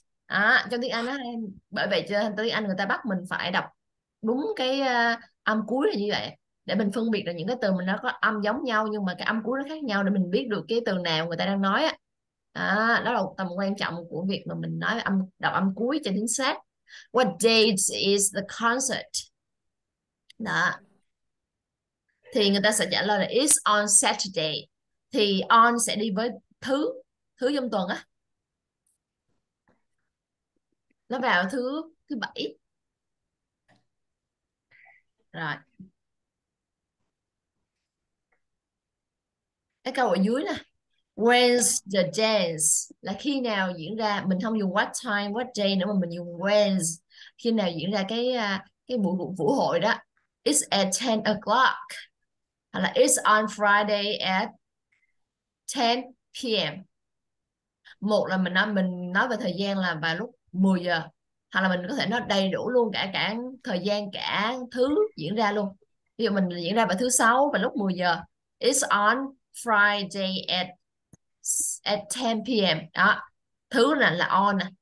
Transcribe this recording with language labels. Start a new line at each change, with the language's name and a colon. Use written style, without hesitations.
Vietnamese: À, trong tiếng Anh á, bởi vậy cho tiếng Anh người ta bắt mình phải đọc đúng cái âm cuối là như vậy, để mình phân biệt là những cái từ mình nó có âm giống nhau nhưng mà cái âm cuối nó khác nhau, để mình biết được cái từ nào người ta đang nói á. Đó là tầm quan trọng của việc mà mình nói âm đọc âm cuối cho chính xác.
English: What date is the concert?
Vietnamese: Đó. Thì người ta sẽ trả lời là
English: it's on Saturday.
Vietnamese: Thì on sẽ đi với thứ thứ trong tuần á. Nó vào thứ thứ bảy. Rồi. Cái câu ở dưới nè.
English: When's the dance?
Vietnamese: Là khi nào diễn ra, mình không dùng
English: what time, what day
Vietnamese: nữa mà mình dùng when's. Khi nào diễn ra cái cái buổi vũ vũ hội đó.
English: It's at 10 o'clock. Hoặc là it's on Friday at 10 p.m.
Vietnamese: Một là mình nói về thời gian là vào lúc 10 giờ. Hoặc là mình có thể nói đầy đủ luôn cả cả thời gian cả thứ diễn ra luôn. Ví dụ mình diễn ra vào thứ sáu vào lúc 10 giờ.
English: It's on Friday at 10 p.m.
Vietnamese: Đó. Thứ này là on.